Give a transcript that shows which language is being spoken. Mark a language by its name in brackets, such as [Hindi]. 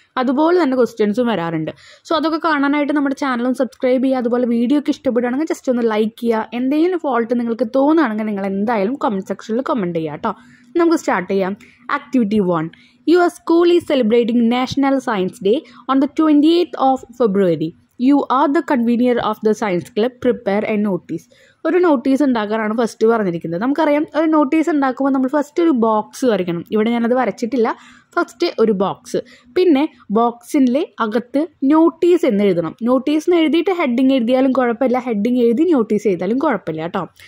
[Malayalam] അതുപോലെ തന്നെ ക്വസ്റ്റ്യൻസും വരാറുണ്ട്. സോ അതൊക്കെ കാണാനായിട്ട് നമ്മുടെ ചാനലും സബ്സ്ക്രൈബ് ചെയ്യുക. അതുപോലെ വീഡിയോ ഒക്കെ ഇഷ്ടപ്പെടുകയാണെങ്കിൽ ജസ്റ്റ് ഒന്ന് ലൈക്ക് ചെയ്യുക. എന്തെങ്കിലും ഫോൾട്ട് നിങ്ങൾക്ക് തോന്നുകയാണെങ്കിൽ നിങ്ങൾ എന്തായാലും കമൻറ്റ് സെക്ഷനിൽ കമൻറ്റ് ചെയ്യുക കേട്ടോ. നമുക്ക് സ്റ്റാർട്ട് ചെയ്യാം. Activity 1. [English] Your school is celebrating national science day on the 28th of February. You are the convener of the science club. Prepare a notice. [Malayalam] ഒരു നോട്ടീസ് ഉണ്ടാക്കാനാണ് ഫസ്റ്റ് പറഞ്ഞിരിക്കുന്നത്. നമുക്കറിയാം, ഒരു നോട്ടീസ് ഉണ്ടാക്കുമ്പോൾ നമ്മൾ ഫസ്റ്റ് ഒരു ബോക്സ് വരയ്ക്കണം. ഇവിടെ ഞാനത് വരച്ചിട്ടില്ല. ഫസ്റ്റ് ഒരു ബോക്സ്, പിന്നെ ബോക്സിൻ്റെ അകത്ത് നോട്ടീസ് എന്ന് എഴുതണം. നോട്ടീസ് എന്ന് എഴുതിയിട്ട് ഹെഡിങ് എഴുതിയാലും കുഴപ്പമില്ല, ഹെഡിങ് എഴുതി നോട്ടീസ് ചെയ്താലും കുഴപ്പമില്ല കേട്ടോ.